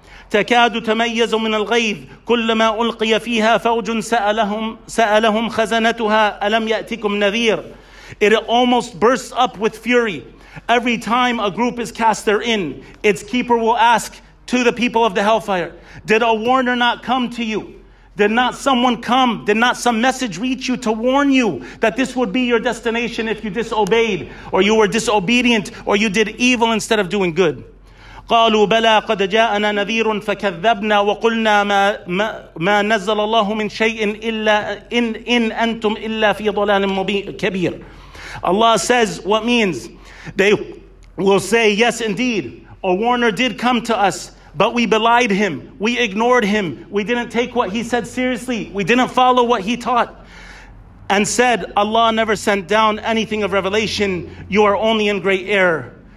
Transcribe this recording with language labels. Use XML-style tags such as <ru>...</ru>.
<ar>تكاد تميز من الغيظ كلما ألقي فيها فوج سألهم خزنتها ألم يأتكم نذير.</ar> <en>It almost bursts up with fury. Every time a group is cast therein, its keeper will ask to the people of the hellfire, did a warner not come to you? Did not someone come? Did not some message reach you to warn you that this would be your destination if you disobeyed, or you were disobedient, or you did evil instead of doing good?</en> <ar>قالوا بلى قد جاءنا نذير فكذبنا وقلنا ما نزل الله من شيء إلا إن أنتم إلا في ضلال كبير.</ar> <en>Allah says, what means? They will say, yes, indeed, a warner did come to us, but we belied him, we ignored him, we didn't take what he said seriously, we didn't follow what he taught, and said, Allah never sent down anything of revelation, you are only in great error.</en>